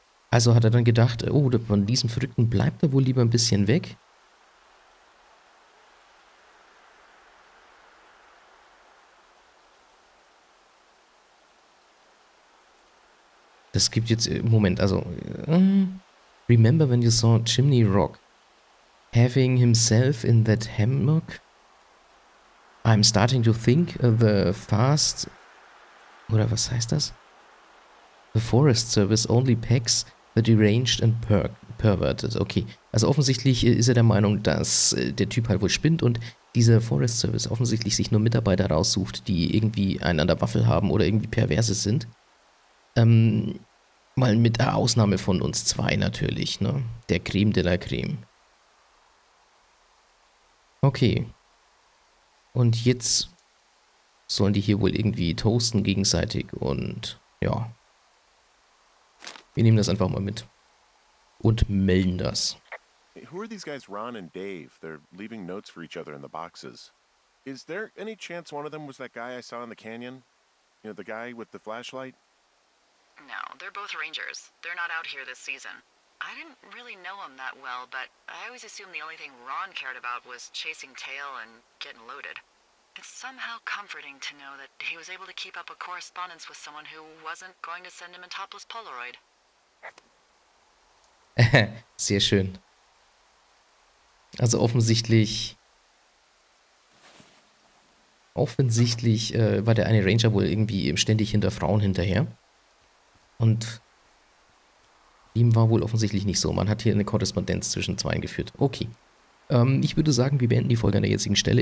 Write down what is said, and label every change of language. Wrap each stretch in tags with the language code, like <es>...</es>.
<de>Also hat er dann gedacht, oh, von diesem Verrückten bleibt er wohl lieber ein bisschen weg. Das gibt jetzt im Moment, also.</de> <en>Remember when you saw Chimney Rock having himself in that hammock? I'm starting to think the fast.</en> <de>Oder was heißt das?</de> <en>The Forest Service only packs the deranged and perverted.</en> <de>Okay. Also offensichtlich ist er der Meinung, dass der Typ halt wohl spinnt und dieser Forest Service offensichtlich sich nur Mitarbeiter raussucht, die irgendwie einen an der Waffel haben oder irgendwie perverse sind. Mal mit der Ausnahme von uns zwei natürlich, ne? Der Creme de la Creme. Okay. Und jetzt sollen die hier wohl irgendwie toasten gegenseitig und ja. Wir nehmen das einfach mal mit. Und melden das.</de> <en>Hey, who are these guys, Ron and Dave? They're leaving notes for each other in the boxes. Is there any chance one of them was that guy I saw in the canyon? You know, the guy with the flashlight? No, they're both rangers. They're not out here this season. I didn't really know them that well, but I always assumed the only thing Ron cared about was chasing tail and getting loaded. It's somehow comforting to know that he was able to keep up a correspondence with someone who wasn't going to send him a topless Polaroid.</en> <de>Sehr schön. Also offensichtlich war der eine Ranger wohl irgendwie ständig hinter Frauen hinterher. Und ihm war wohl offensichtlich nicht so. Man hat hier eine Korrespondenz zwischen zwei geführt. Okay. Ich würde sagen, wir beenden die Folge an der jetzigen Stelle.</de>